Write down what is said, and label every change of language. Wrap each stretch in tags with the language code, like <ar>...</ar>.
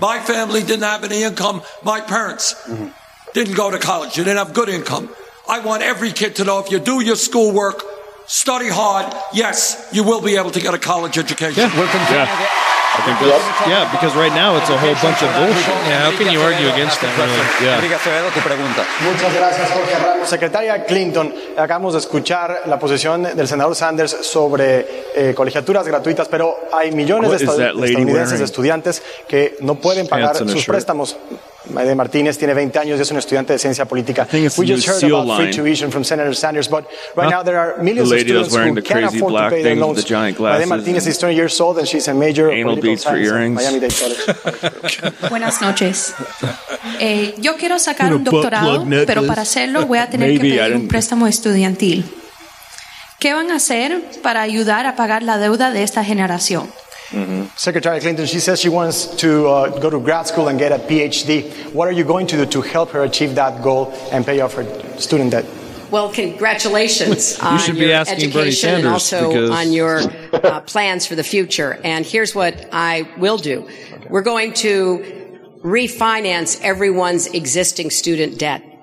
<en>My family didn't have any income. My parents mm-hmm. didn't go to college. They didn't have good income. I want every kid to know if you do your schoolwork, study hard, yes, you will be able to get a college education. Yeah. Welcome to yeah. I think that's, yeah, because right now it's a whole bunch of bullshit. Yeah, how can you argue against that, really? Yeah.</en> <es>Secretaria Clinton, acabamos de escuchar la posición del senador Sanders sobre colegiaturas gratuitas, pero hay millones de estadounidenses estudiantes que no pueden pagar sus préstamos. Maide Martinez tiene 20 años y es un estudiante de ciencia política.</es> <en>We just heard about free tuition from Senator Sanders, but right now there are millions of students who can't afford to pay their loans. The giant glasses. Maide Martinez is 20 years old and she's a major in political science at Miami-Dade College.</en> <es>Buenas noches. Yo quiero sacar un doctorado, pero para hacerlo voy a tener que pedir un préstamo estudiantil. ¿Qué van a hacer para ayudar a pagar la deuda de esta generación?</es> <en>Mm-hmm. Secretary Clinton, she says she wants to go to grad school and get a PhD. What are you going to do to help her achieve that goal and pay off her student debt? Well, congratulations you on should your be asking education Bernie Sanders and also because... on your plans for the future. And here's what I will do. Okay. We're going to refinance everyone's existing student debt.</en>